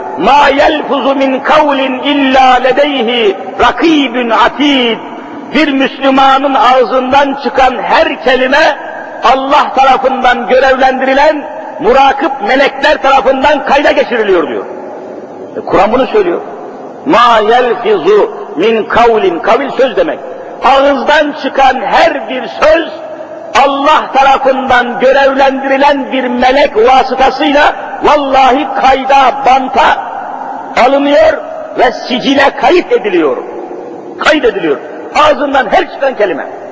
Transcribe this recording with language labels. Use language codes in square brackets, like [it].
[ar] مَا يَلْفُزُ مِنْ قَوْلٍ اِلَّا لَدَيْهِ رَقِيبٌ عَتِيدٌ [tr] Bir Müslümanın ağzından çıkan her kelime Allah tarafından görevlendirilen murakip melekler tarafından kayda geçiriliyor diyor. Kur'an bunu söylüyor. [ar] مَا يَلْفِزُ مِنْ قَوْلٍ [tr] Kavil söz demek. Ağızdan çıkan her bir söz Allah tarafından görevlendirilen bir melek vasıtasıyla vallahi kayda, banta alınıyor ve sicile kayıt ediliyor. Kayıt ediliyor. Ağzından her çıkan kelime.